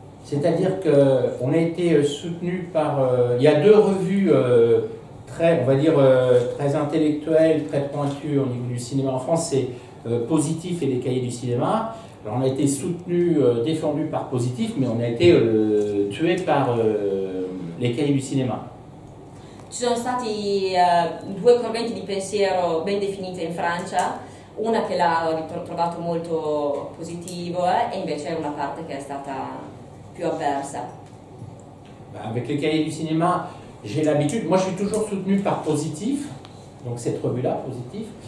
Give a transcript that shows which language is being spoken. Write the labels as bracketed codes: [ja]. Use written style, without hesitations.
[fr] C'est-à-dire qu'on a été soutenu par... Il y a deux revues très intellectuelles, très pointues au niveau du cinéma en France, c'est Positif et Les Cahiers du Cinéma. Alors on a été soutenu, défendu par Positif, mais on a été tué par Les Cahiers du Cinéma. [it] Ci sono stati due correnti di pensiero ben definite in Francia, una che l'ha trovato molto positivo e invece una parte che è stata più avversa. [fr] Avec Les Cahiers du Cinéma, j'ai l'habitude, moi je suis toujours soutenu par Positif, donc cette revue-là, Positif.